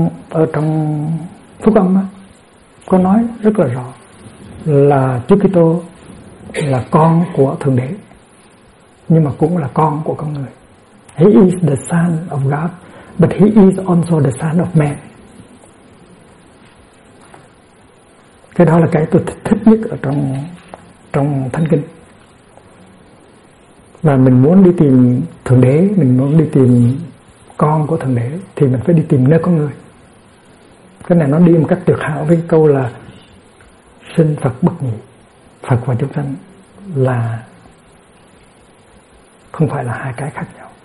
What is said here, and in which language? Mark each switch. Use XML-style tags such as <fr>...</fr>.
<vi>Ở trong Phúc Âm có nói rất là rõ là Chúa Kitô là con của Thượng Đế, nhưng mà cũng là con của con người.</vi> <en>He is the son of God, but he is also the son of man.</en> <vi>Cái đó là cái tôi thích nhất ở trong Thánh Kinh. Và mình muốn đi tìm Thượng Đế, mình muốn đi tìm con của Thượng Đế, thì mình phải đi tìm nơi có người. Cái này nó đi một cách tuyệt hảo với câu là sinh Phật bất nhị, Phật và chúng sanh là không phải là hai cái khác nhau.</vi>